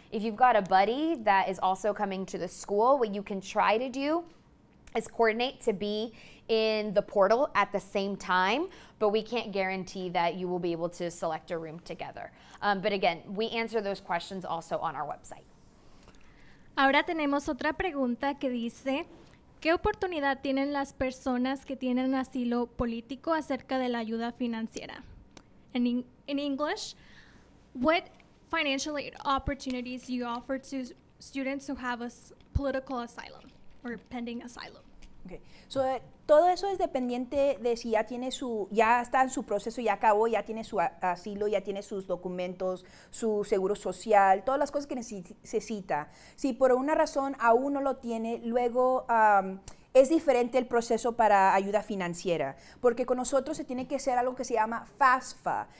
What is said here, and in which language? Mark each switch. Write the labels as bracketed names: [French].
[English] If you've got a buddy that is also coming to the school, what you can try to do is coordinate to be in the portal at the same time, but we can't guarantee that you will be able to select a room together. But again, we answer those questions also on our website. [Spanish] Ahora tenemos otra pregunta que dice, ¿qué oportunidad tienen las personas que tienen asilo político acerca de la ayuda financiera? [English] In English, what financial aid opportunities do you offer to students who have a political asylum or pending asylum? [Spanish] Okay. So todo eso es dependiente de si ya tiene su, ya está en su proceso, ya acabó, ya tiene su asilo, ya tiene sus documentos, su seguro social, todas las cosas que necesita. Si por una razón aún no lo tiene, luego es diferente el proceso para ayuda financiera, porque con nosotros se tiene que hacer algo que se llama FAFSA.